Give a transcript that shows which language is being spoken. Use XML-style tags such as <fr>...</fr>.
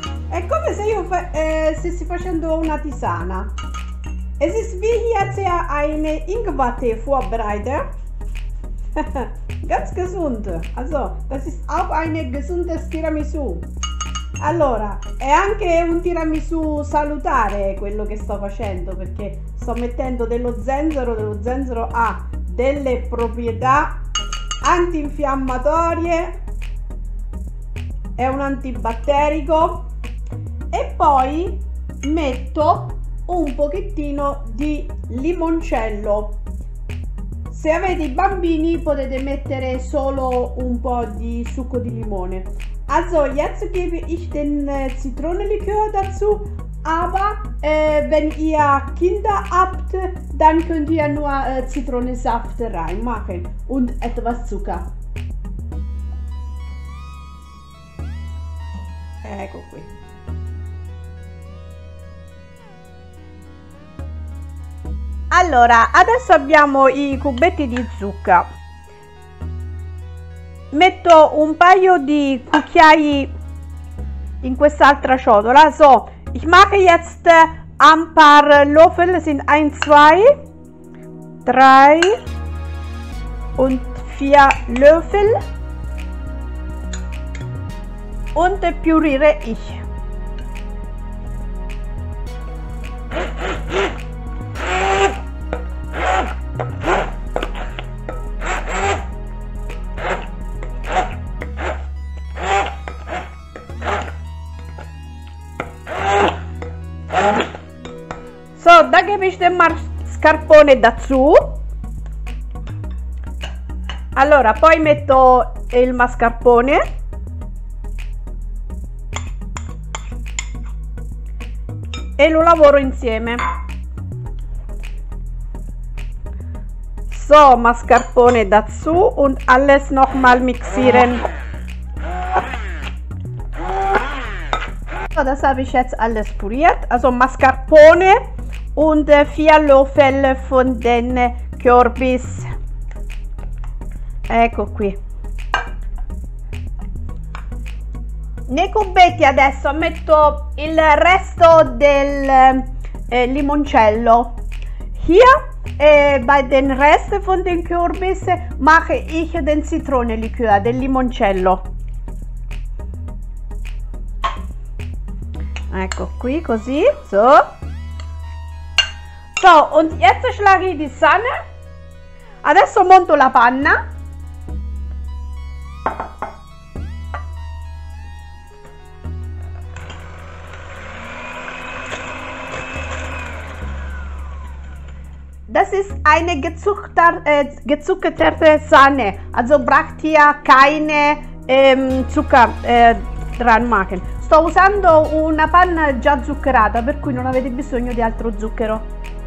<it>È come se io stessi facendo una tisana.</it> <de>Es ist wie jetzt eine Ingwertee vorbereite. Ganz gesund. Also, das ist auch ein gesundes Tiramisù.</de> <it>Allora, è anche un tiramisù salutare quello che sto facendo, perché sto mettendo dello zenzero ha delle proprietà antinfiammatorie, è un antibatterico, e poi metto un pochettino di limoncello. Se avete i bambini potete mettere solo un po' di succo di limone.</it> <de>Also, jetzt gebe ich den Zitronenlikör dazu, aber wenn ihr Kinder habt, dann könnt ihr nur Zitronensaft reinmachen und etwas Zucker.</de> <it>Ecco qui. Allora, adesso abbiamo i cubetti di zucca. Metto un paio di cucchiai in quest'altra ciotola.</it> <de>So, ich mache jetzt ein paar Löffel, sind 1, 2, 3 und 4 Löffel. Und püriere ich.</de> <it>Del mascarpone dazu. Allora, poi metto il mascarpone e lo lavoro insieme.</it> <de>So, mascarpone dazu und alles noch mal mixieren. So, das habe ich jetzt alles puriert. Also mascarpone und 4 Löffel von den Kürbis.</de> <it>Ecco qui. Nei cubetti adesso metto il resto del limoncello.</it> <de>Hier bei den Rest von den Kürbis mache ich den Zitronenlikör,</de> <it>del limoncello. Ecco qui, così, so.</it> <de>So, und jetzt schlage ich die Sahne.</de> <it>Adesso monto la panna.</it> <de>Das ist eine gezuckerte Sahne. Also braucht ihr keine Zucker dran machen.</de> <it>Sto usando una panna già zuccherata, per cui non avete bisogno di altro zucchero.</it>